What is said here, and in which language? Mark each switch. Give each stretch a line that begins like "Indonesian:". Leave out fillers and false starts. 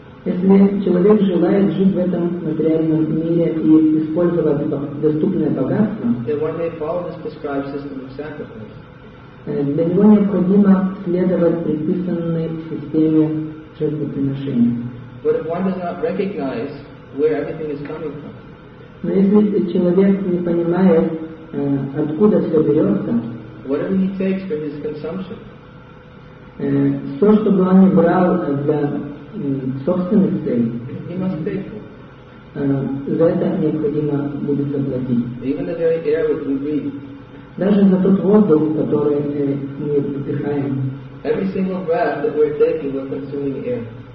Russian: Если человек желает жить в этом материальном мире и использовать доступное богатство, для него необходимо следовать предписанной системе жертвоприношения.
English: But if one does not recognize where everything is coming from,
Russian: но если человек не понимает, откуда все берется,
English: whatever he takes for his consumption,
Russian: все, что бы он ни брал для собственных целей,
English: he must pay for.
Russian: За это необходимо будет заплатить.
English: Even the very air which we breathe,
Russian: даже за тот воздух, который мы вдыхаем,
English: every single breath that we're taking, we're consuming air.